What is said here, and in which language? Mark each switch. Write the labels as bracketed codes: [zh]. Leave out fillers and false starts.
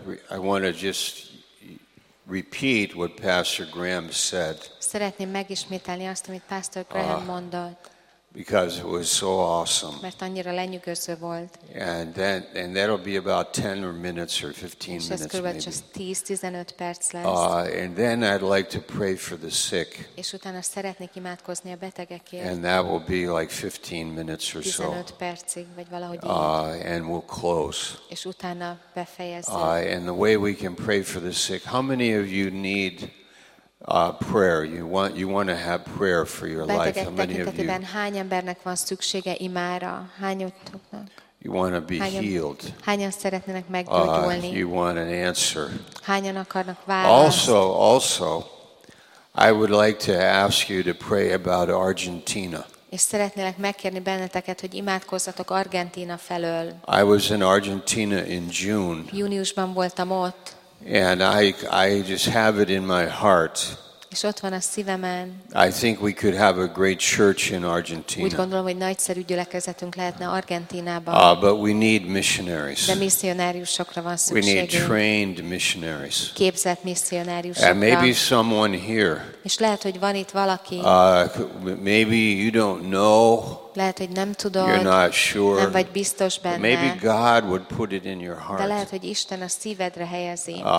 [en] I want to just repeat what Pastor Graham said. [hu] Szeretném megismételni azt, amit Pastor Graham mondott. [en] Because it was so awesome. [hu] Mert annyira lenyűgöző volt. [en] And that'll be about 10 or minutes or 15 minutes maybe. [hu] És ez körülbelül csak 10-15 perc lesz. [en] And then I'd like to pray for the sick. [hu] És utána szeretnék imádkozni a betegekért. [en] And that will be like 15 minutes or so. [hu] 15 percig vagy valahogy így. [en] And we'll close. [hu] És utána befejezzük. [en] And the way we can pray for the sick. How many of you need prayer? You want to have prayer for your life? How many of you? [hu] Hány embernek van szüksége imára? Hányotoknak? [en] You want to be healed. [hu] Hányan szeretnének meggyógyulni? [en] You want an answer. [hu] Hányan akarnak választ? [en] Also, I would like to ask you to pray about Argentina. [hu] És szeretnélek megkérni benneteket, hogy imádkozzatok Argentina felől. [en] I was in Argentina in June. [hu] Júniusban voltam ott. [en] And I just have it in my heart. [hu] És ott van a szívemen. [en] I think we could have a great church in Argentina. [hu] Úgy gondolom, hogy nagyszerű gyülekezetünk lehetne Argentínában. [en] But we need missionaries. [hu] De misszionáriusokra van szükségünk. [en] We need trained missionaries. [hu] Képzett misszionáriusokra. [en] And maybe someone here. [hu] És lehet, hogy van itt valaki. [en] Maybe you don't know. [hu] Lehet, hogy nem tudod. [en] You're not sure. [hu] Nem vagy biztos benne. [en] Maybe God would put it in your heart. [hu] De lehet, hogy Isten a szívedre helyezi.